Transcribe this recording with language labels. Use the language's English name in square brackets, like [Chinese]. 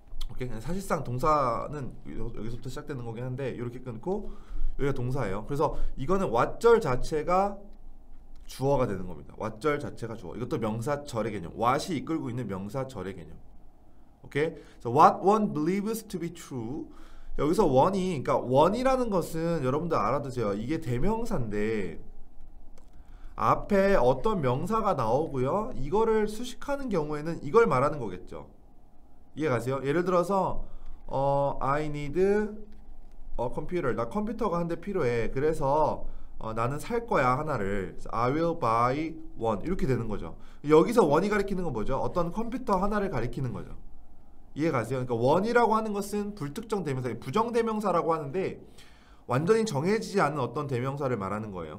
[Korean] 오케이? 사실상 동사는 여기서부터 시작되는 거긴 한데, 이렇게 끊고 여기가 동사예요. 그래서 이거는 what절 자체가 주어가 되는 겁니다. what절 자체가 주어. 이것도 명사절의 개념. what이 이끌고 있는 명사절의 개념. 오케이? [English] So what one believes to be true. [Korean] 여기서 one이, 그러니까 one이라는 것은 여러분들 알아두세요. 이게 대명사인데, 앞에 어떤 명사가 나오고요. 이거를 수식하는 경우에는 이걸 말하는 거겠죠. 이해가세요? 예를 들어서, [English] I need a computer. [Korean] 나 컴퓨터가 한대 필요해. 그래서 나는 살 거야, 하나를. [English] I will buy one. [Korean] 이렇게 되는 거죠. 여기서 원이 가리키는 건 뭐죠? 어떤 컴퓨터 하나를 가리키는 거죠. 이해가세요? 그러니까 원이라고 하는 것은 불특정 대명사, 부정 대명사라고 하는데 완전히 정해지지 않은 어떤 대명사를 말하는 거예요.